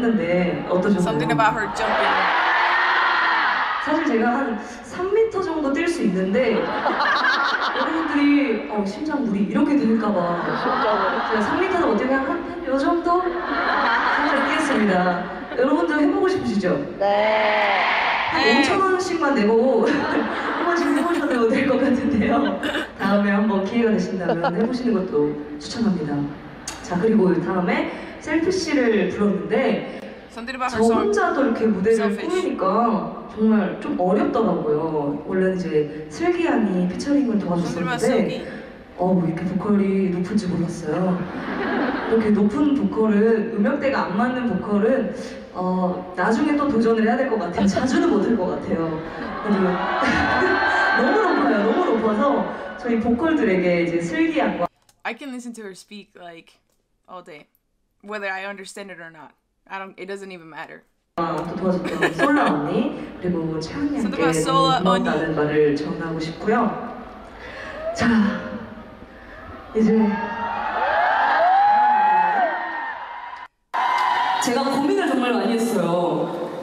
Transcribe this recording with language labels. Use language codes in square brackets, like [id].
[en] Something about her jumping. [ko] 사실 제가 한 3m 정도 뛸 수 있는데 여러분들이 심장 무리 이렇게 될까봐 제가 3m는 어떻게 한 요 정도 살짝 뛰겠습니다. 여러분들 해보고 싶으시죠? 네. 한 5,000원씩만 내고 한 번씩 해보셔도 될 것 같은데요. 다음에 한번 기회가 되신다면 해보시는 것도 추천합니다. 자 그리고 다음에 셀프시를 불렀는데. 저 혼자도 이렇게 무대를 꾸미니까 정말 좀 어렵더라고요. 원래는 이제 슬기 양이 피처링을 도와줬었는데 뭐 이렇게 보컬이 높은지 몰랐어요. 이렇게 높은 보컬은 음역대가 안 맞는 보컬은 나중에 또 도전을 해야 될 것 같아요. 자주는 못 할 것 같아요. 너무 높아요. 너무 높아서 저희 보컬들에게 이제 슬기 양과 [en] I can listen to her speak like all day, whether I understand it or not. It doesn't even matter. [ko] 솔라 언니 그리고 차은이께 고마워하는 말을 전하고 싶고요. 자 이제 제가 고민을 정말 많이 했어요.